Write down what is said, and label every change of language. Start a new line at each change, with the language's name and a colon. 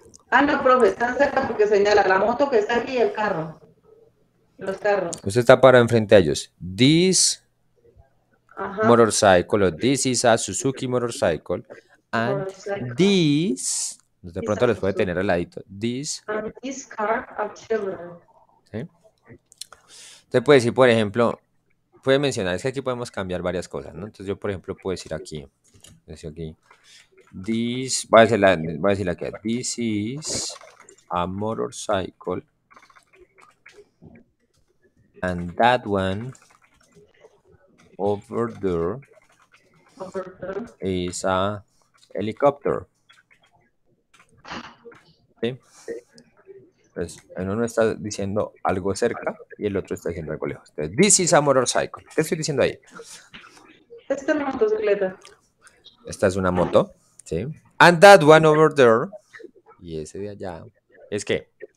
Spanish: Ah, no, profe, están cerca porque señala la moto que está aquí y el carro. Los carros. Usted está parado enfrente a ellos.
English: This motorcycle, or this is a Suzuki motorcycle. And this...
Spanish: De pronto les puede tener al ladito.
English: This car of children. ¿Sí?
Spanish: Usted puede decir, por ejemplo, puede mencionar, es que aquí podemos cambiar varias cosas, ¿no? Entonces yo, por ejemplo, puedo decir aquí. Voy a decir aquí.
English: This is a motorcycle. And that one over there is a helicopter.
Spanish: Sí. Pues en uno está diciendo algo cerca y el otro está diciendo algo lejos. Entonces,
English: this is a motorcycle.
Spanish: ¿Qué estoy diciendo ahí? Esta es una motocicleta. Esta es una moto, ¿sí?
English: And that one over there.
Spanish: Y ese de allá. ¿Es qué?